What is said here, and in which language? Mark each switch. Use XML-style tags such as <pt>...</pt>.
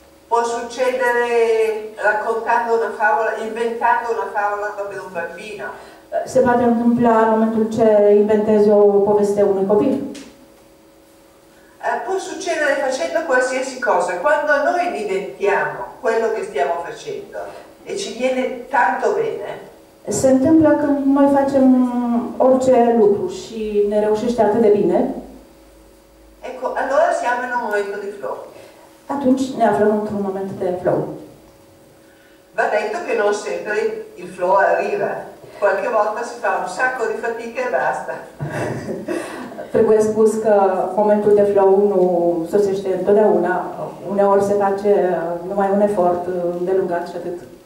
<it>Può succedere raccontando una favola, inventando una favola come un bambino.</it> <ro>Se poate întâmpla în momentul ce inventezi o poveste unui copil.</ro> <it>Può succedere facendo qualsiasi cosa, quando noi diventiamo quello che stiamo facendo e ci viene tanto bene.</it> <ro>Se întâmplă când noi facem orice lucru și ne reușește atât de bine.</ro> <it>Ecco, allora siamo in un momento di flow.</it> <ro>Atunci ne aflăm într-un moment de flow.</ro> <it>Va detto che non sempre il flow arriva. Qualche volta si fa un sacco di fatica e basta.</it> <ro>Trebuie spus că momentul de flow nu sosește întotdeauna. Uneori se face numai un efort îndelungat și atât.</ro>